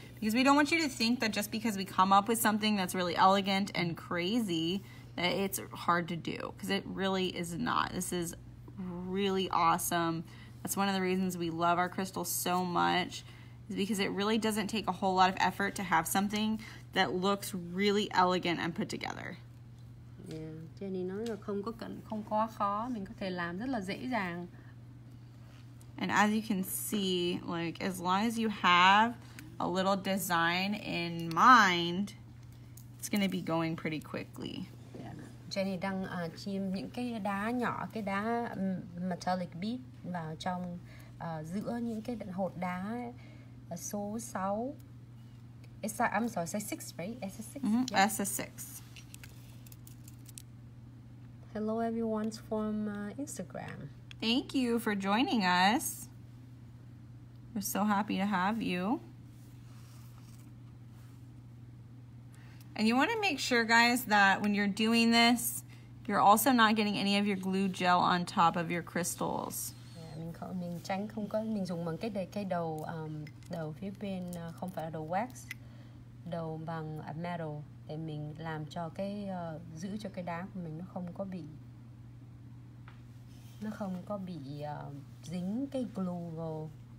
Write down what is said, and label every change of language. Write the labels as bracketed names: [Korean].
[English] Because we don't want you to think that just because we come up with something that's really elegant and crazy, that it's hard to do. Because it really is not. This is really awesome. That's one of the reasons we love our crystals so much. Is because it really doesn't take a whole lot of effort to have something that looks really elegant and put together. [Vietnamese] Yeah, Jenny nói là không có khó, mình có thể làm rất là dễ dàng. [English] And as you can see, like, as long as you have a little design in mind, it's going to be going pretty quickly. Yeah. [Vietnamese] Jenny đang chìm những cái đá nhỏ, cái đá metallic bead vào trong giữa những cái hột đá số 6. [English] It's like, I'm sorry, it's 6, right? It's a 6. Mm-hmm. Yeah. It's a 6. Hello everyone from Instagram. Thank you for joining us. We're so happy to have you. And you want to make sure, guys, that when you're doing this, you're also not getting any of your glue gel on top of your crystals. [Vietnamese] Yeah, mình tránh không có, mình dùng bằng cái đầu đầu phía bên không phải là đầu wax, đầu bằng metal để mình làm cho cái giữ cho cái đá của mình nó không có bị dính cái glue vào.